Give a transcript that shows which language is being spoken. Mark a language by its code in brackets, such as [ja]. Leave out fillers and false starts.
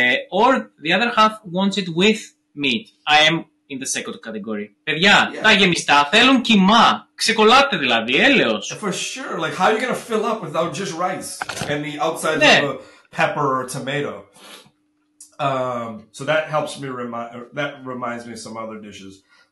[en] Or the other half wants it with meat. I am in the second category. [el] Παιδιά, τα γεμιστά θέλουν κιμά. Ξεκολλάτε δηλαδή, έλεος. [en] For sure. Like, how are you going to fill up without just rice and the outside of a pepper or tomato? So that helps me reminds me of some other dishes.